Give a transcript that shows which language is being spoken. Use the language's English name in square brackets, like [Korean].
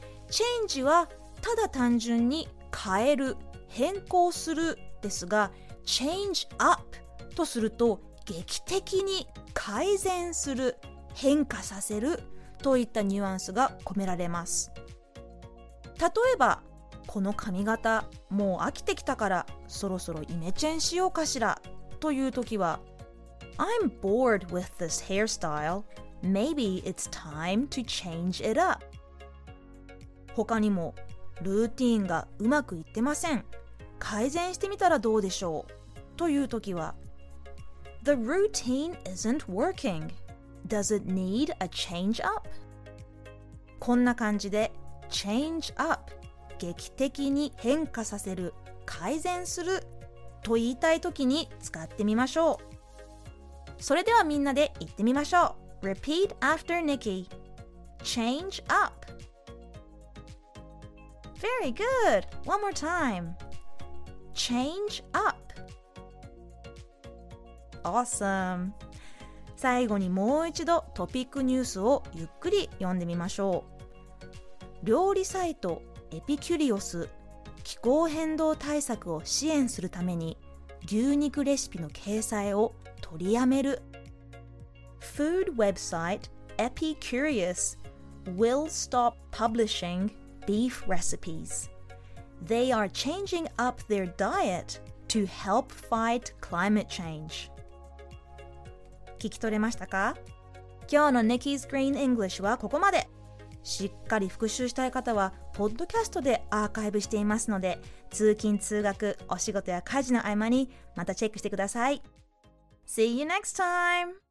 [Japanese] change はただ単純に変える、変更するですが、 change up とすると劇的に改善する、変化させるといったニュアンスが込められます。例えばこの髪型もう飽きてきたからそろそろイメチェンしようかしらという時は [English] I'm bored with this hairstyle. Maybe it's time to change it up. [Japanese] 他にもルーティーンがうまくいってません、改善してみたらどうでしょうという時は [English] The routine isn't working. Does it need a change up? [Japanese] こんな感じで change up、劇的に変化させる、改善すると言いたいときに使ってみましょう。それではみんなで言ってみましょう。 [English] Repeat after Nikki. Change up. Very good. One more time. Change up. Awesome. [Japanese] 最後にもう一度トピックニュースをゆっくり読んでみましょう。料理サイトエピキュリオス、気候変動対策を支援するために牛肉レシピの掲載を取りやめる。 [English] Food website Epicurious will stop publishing beef recipes. They are changing up their diet to help fight climate change. [Japanese] 聞き取れましたか？今日の Nikki's Green English はここまで。しっかり復習したい方はポッドキャストでアーカイブしていますので、通勤通学、お仕事や家事の合間にまたチェックしてください。 [English] See you next time。